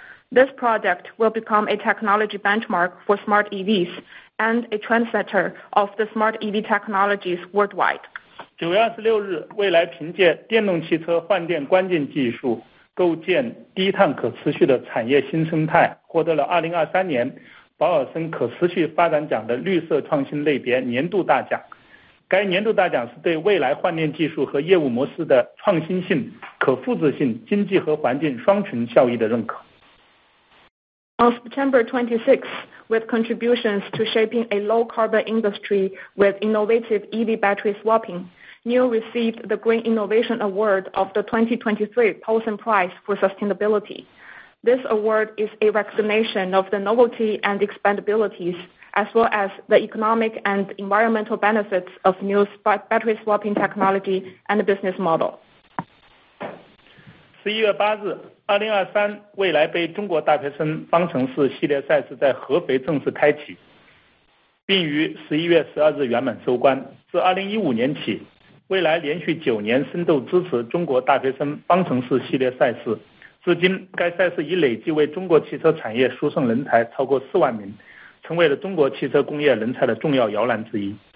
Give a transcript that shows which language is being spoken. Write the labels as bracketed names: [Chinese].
[English] This project will become a technology benchmark for smart EVs and a trendsetter of the smart EV technologies worldwide. [Chinese] 9月26日，未来凭借电动汽车换电关键技术构建低碳可持续的产业新生态，获得了2023年保尔森可持续发展奖的绿色创新类别年度大奖。该年度大奖是对未来换电技术和业务模式的创新性、可复制性、经济和环境双重效益的认可。 [English] On September 26, with contributions to shaping a low-carbon industry with innovative EV battery swapping, NIO received the Green Innovation Award of the 2023 Paulson Prize for Sustainability. This award is a recognition of the novelty and expandabilities, as well as the economic and environmental benefits of NIO's battery swapping technology and business model. [Chinese] 11月8日，2023未来杯中国大学生方程式系列赛事在合肥正式开启，并于11月12日圆满收官。自2015年起，未来连续九年深度支持中国大学生方程式系列赛事，至今该赛事已累计为中国汽车产业输送人才超过4万名，成为了中国汽车工业人才的重要摇篮之一。